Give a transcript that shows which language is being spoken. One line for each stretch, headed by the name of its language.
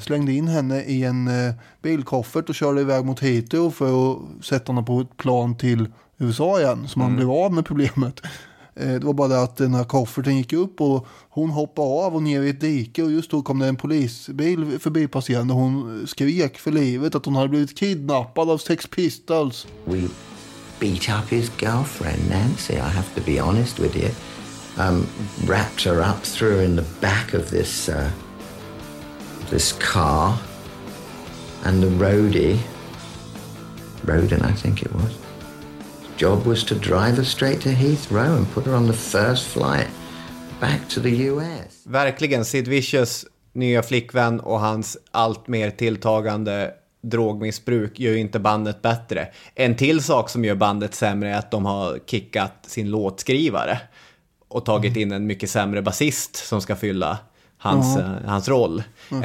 Swedish: Slängde in henne i en bilkoffert och körde iväg mot Heathrow för att sätta henne på ett plan till USA igen. Så man blev av med problemet. Det var bara det att den här kofferten gick upp och hon hoppade av och ner i ett dike. Och just då kom det en polisbil förbipasserande och hon skrek för livet att hon hade blivit kidnappad av Sex Pistols.
English: We beat up his girlfriend, Nancy, I have to be honest with you. Wrapped her up, threw her in the back of this this car. And the roadie, Roden I think it was, job was to drive her straight to Heathrow and put her on the first flight back to the US.
Swedish: Verkligen, Sid Vicious nya flickvän och hans allt mer tilltagande drogmissbruk gör inte bandet bättre. En till sak som gör bandet sämre är att de har kickat sin låtskrivare och tagit in en mycket sämre basist som ska fylla hans, hans roll. Yes.